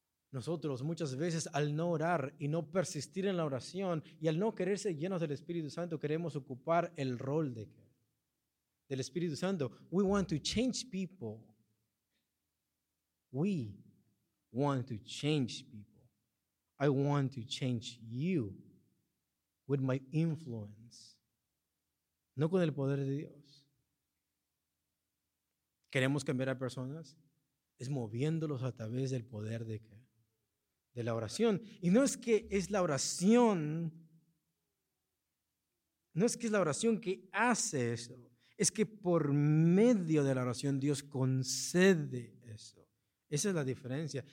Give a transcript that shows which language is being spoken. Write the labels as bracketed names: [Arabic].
[Spanish] Nosotros muchas veces, al no orar y no persistir en la oración y al no querer ser llenos del Espíritu Santo, queremos ocupar el rol del Espíritu Santo. [English] We want to change people. We want to change people. I want to change you with my influence. [Spanish] No con el poder de Dios. ¿Queremos cambiar a personas? Es moviéndolos a través del poder de qué? De la oración. Y no es que es la oración, no es que es la oración que hace eso. Es que por medio de la oración Dios concede eso. Esa es la diferencia.